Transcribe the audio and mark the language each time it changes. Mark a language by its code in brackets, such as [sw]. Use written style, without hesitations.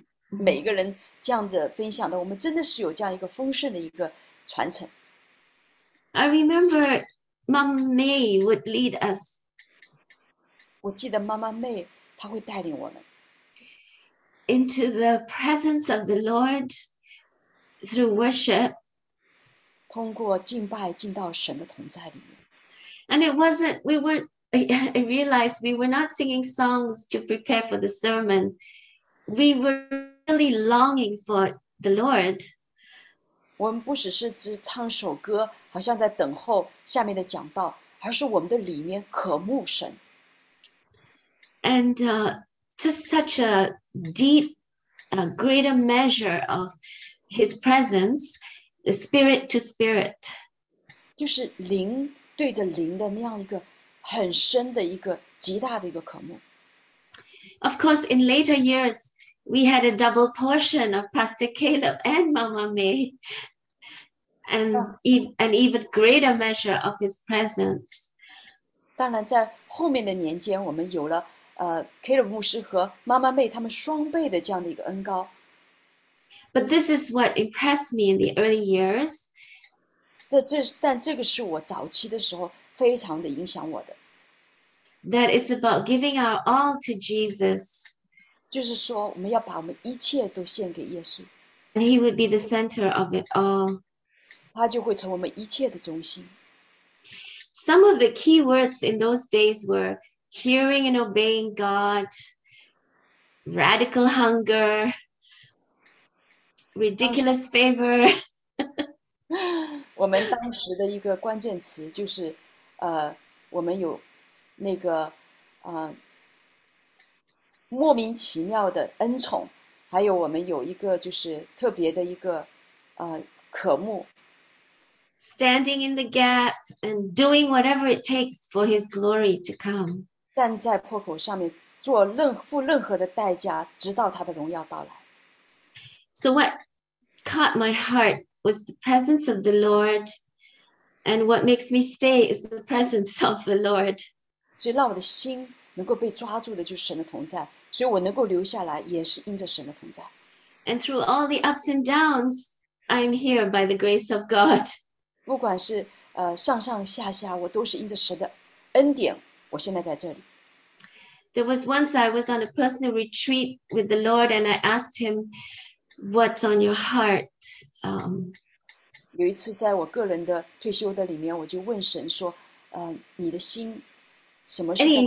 [zh] 每一个人这样的分享的，我们真的是有这样一个丰盛的一个传承。 [en] I remember Mom May would lead us. [zh] 我记得妈妈妹她会带领我们。 [en] into the presence of the Lord through worship. [zh] 通过敬拜进到神的同在里面。 [en] And it wasn't, we weren't, I realized we were not singing songs to prepare for the sermon. We were really longing for the Lord. [zh] 我们不只是只唱首歌，好像在等候下面的讲道，而是我们的里面渴慕神。 [en] And just such a deep, a greater measure of his presence, spirit to spirit. [zh] 就是灵对着灵的那样一个很深的一个极大的一个渴慕。 [en] Of course, in later years, we had a double portion of Pastor Caleb and Mama May, and an even greater measure of his presence. [zh] 当然在后面的年间我们有了Caleb 牧师和妈妈妹他们双倍的这样的一个恩膏。 [en] But this is what impressed me in the early years. [zh] 但这个是我早期的时候非常的影响我的。 [en] That it's about giving our all to Jesus. [zh] 就是说我们要把我们一切都献给耶稣。 [en] And he would be the center of it all. [zh] 他就会成我们一切的中心。 [en] Some of the key words in those days were hearing and obeying God, radical hunger, ridiculous favor. [zh] 我们当时的一个关键词就是，我们有那个，莫名其妙的恩宠，还有我们有一个就是特别的一个，渴慕。 [en] Standing in the gap and doing whatever it takes for His glory to come. [zh] 站在破口上面，做任付任何的代价，直到他的荣耀到来。 [en] So what caught my heart was the presence of the Lord, and what makes me stay is the presence of the Lord. [zh] 所以让我的心能够被抓住的就是神的同在，所以我能够留下来也是因着神的同在。 [en] And through all the ups and downs, I'm here by the grace of God. [zh] 不管是上上下下，我都是因着神的恩典。我现在在这里。 [en] There was once I was on a personal retreat with the Lord, and I asked Him, "What's on your heart?" [zh] 有一次在我个人的退休的里面，我就问神说，你的心什么是？